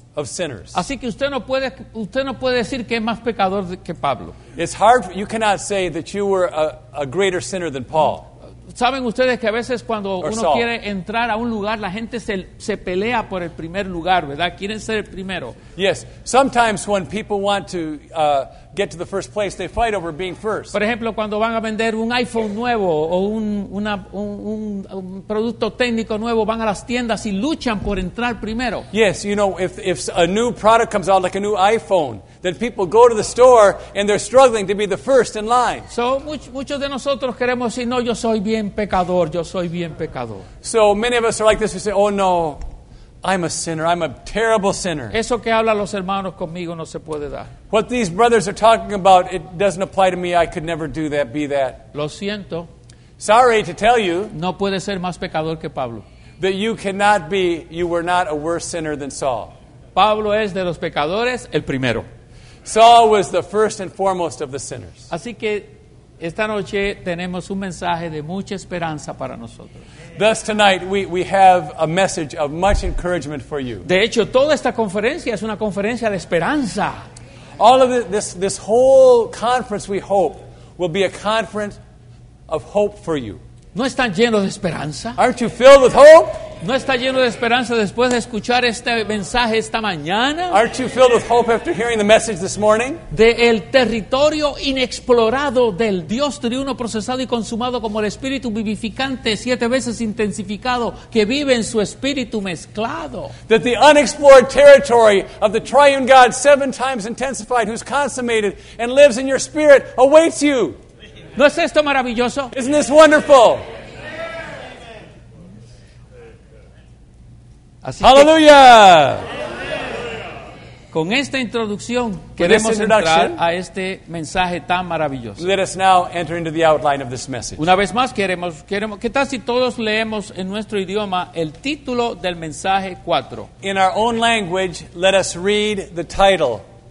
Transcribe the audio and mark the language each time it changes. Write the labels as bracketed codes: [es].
[en] Of sinners. [es] Así que usted no puede decir que es más pecador que Pablo. [en] It's hard. You cannot say that you were a greater sinner than Paul. [es] Saben ustedes que a veces cuando uno quiere entrar a un lugar, la gente se pelea por el primer lugar, ¿verdad? Quieren ser el primero. [en] Yes. Sometimes when people want to get to the first place, they fight over being first. [es] Por ejemplo, cuando van a vender un iPhone nuevo o un producto técnico nuevo, van a las tiendas y luchan por entrar primero. [en] Yes, you know, if a new product comes out, like a new iPhone, then people go to the store and they're struggling to be the first in line. [es] So muchos de nosotros queremos decir, no, yo soy bien pecador, yo soy bien pecador. [en] So many of us are like this, we say, oh no, I'm a sinner. I'm a terrible sinner. [es] Eso que hablan los hermanos conmigo no se puede dar. [en] What these brothers are talking about, it doesn't apply to me. I could never do that, be that. [es] Lo siento. [en] Sorry to tell you. [es] No puede ser más pecador que Pablo. [en] That you cannot be, you were not a worse sinner than Saul. [es] Pablo es de los pecadores el primero. [en] Saul was the first and foremost of the sinners. [es] Así que esta noche tenemos un mensaje de mucha esperanza para nosotros. [en] Thus tonight we have a message of much encouragement for you. [es] De hecho, toda esta conferencia es una conferencia de esperanza. [en] All of this whole conference, we hope, will be a conference of hope for you. [es] ¿No están llenos de esperanza? [en] Aren't you filled with hope? [es] ¿No está lleno de esperanza después de escuchar este mensaje esta mañana? [en] Aren't you filled with hope after hearing the message this morning? [es] De el territorio inexplorado del Dios triuno procesado y consumado como el Espíritu vivificante siete veces intensificado que vive en su Espíritu mezclado. [en] That the unexplored territory of the triune God seven times intensified who's consummated and lives in your spirit awaits you. [es] ¿No es esto maravilloso? [en] Isn't this wonderful? [es] Así [en] ¡Hallelujah! [es] Con esta introducción queremos entrar a este mensaje tan maravilloso. [en] Let us now enter into the outline of this message. [es] Una vez más queremos ¿qué tal si todos leemos en nuestro idioma el título del mensaje 4? [en] In our own language, let us read the title.